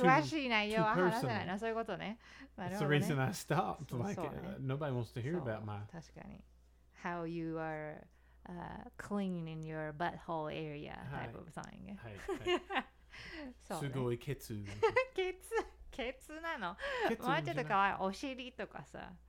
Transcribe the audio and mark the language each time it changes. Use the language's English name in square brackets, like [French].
[Japanese] 詳しい内容は話せないな、そういうことね。 [English] That's the reason I stopped. Like, nobody wants to hear about my... [Japanese] 確かに。 [English] How you are clean in your butthole area type of thing. [Japanese] はい、はい。すごいケツ。ケツ、ケツなの。もうちょっとかわいい。お尻とかさ。